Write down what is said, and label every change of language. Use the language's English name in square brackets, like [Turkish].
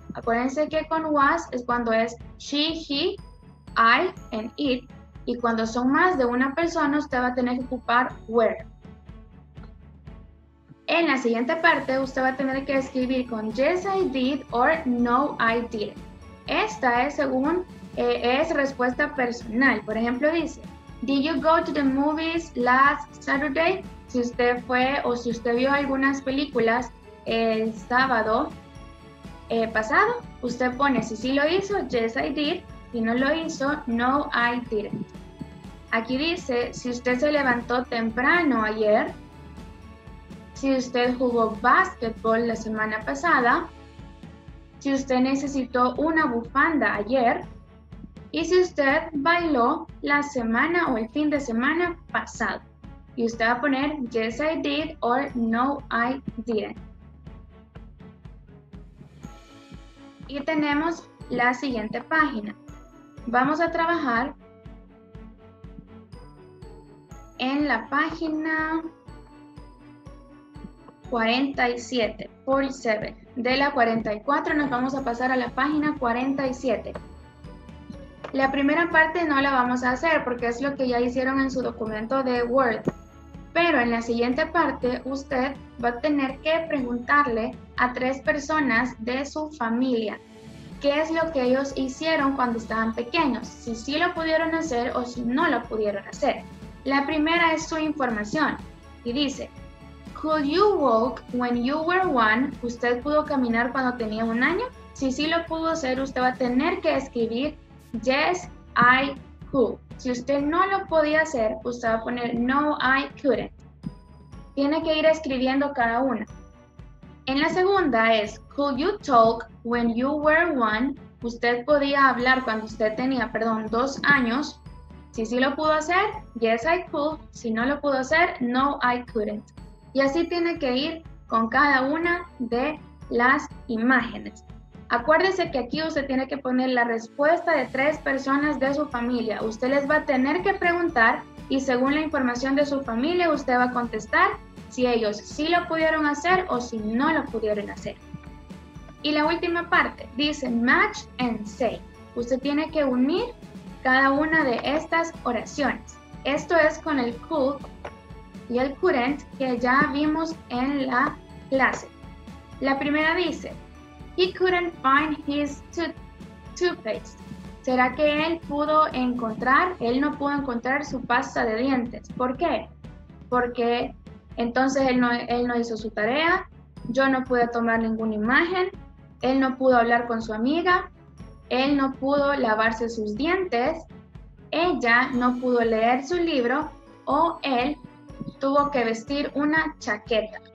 [Spanish] Acuérdense que con was es cuando es she, he, I, and it. Y cuando son más de una persona, usted va a tener que ocupar were. En la siguiente parte, usted va a tener que escribir con [English] yes, I did, or no, I didn't. [Spanish] Esta es según, es respuesta personal. Por ejemplo, dice, [English] did you go to the movies last Saturday? [Spanish] Si usted fue o si usted vio algunas películas el sábado pasado, usted pone, si sí lo hizo, [English] yes, I did. [Spanish] Si no lo hizo, [English] no, I didn't. [Spanish] Aquí dice, si usted se levantó temprano ayer, si usted jugó basketball la semana pasada, si usted necesitó una bufanda ayer y si usted bailó la semana o el fin de semana pasado. Y usted va a poner [English] yes I did or no I didn't. [Spanish] Y tenemos la siguiente página. Vamos a trabajar en la página 47, 47. De la 44 nos vamos a pasar a la página 47. La primera parte no la vamos a hacer porque es lo que ya hicieron en su documento de Word. Pero en la siguiente parte usted va a tener que preguntarle a tres personas de su familia qué es lo que ellos hicieron cuando estaban pequeños, si sí lo pudieron hacer o si no lo pudieron hacer. La primera es su información y dice, [English] could you walk when you were one? [Spanish] ¿Usted pudo caminar cuando tenía un año? Si sí lo pudo hacer, usted va a tener que escribir [English] yes, I could. [Spanish] Si usted no lo podía hacer, usted va a poner [English] no, I couldn't. [Spanish] Tiene que ir escribiendo cada una. En la segunda es, [English] could you talk when you were one? [Spanish] ¿Usted podía hablar cuando usted tenía, dos años? Si sí lo pudo hacer, [English] yes, I could. [Spanish] Si no lo pudo hacer, [English] no, I couldn't. [Spanish] Y así tiene que ir con cada una de las imágenes. Acuérdese que aquí usted tiene que poner la respuesta de tres personas de su familia. Usted les va a tener que preguntar y según la información de su familia, usted va a contestar si ellos sí lo pudieron hacer o si no lo pudieron hacer. Y la última parte dice [English] match and say. [Spanish] Usted tiene que unir cada una de estas oraciones. Esto es con el could y el couldn't que ya vimos en la clase. La primera dice, [English] he couldn't find his toothpaste. [Spanish] ¿Será que él no pudo encontrar su pasta de dientes? ¿Por qué? Porque entonces él no hizo su tarea, yo no pude tomar ninguna imagen, él no pudo hablar con su amiga, él no pudo lavarse sus dientes, ella no pudo leer su libro o él tuvo que vestir una chaqueta.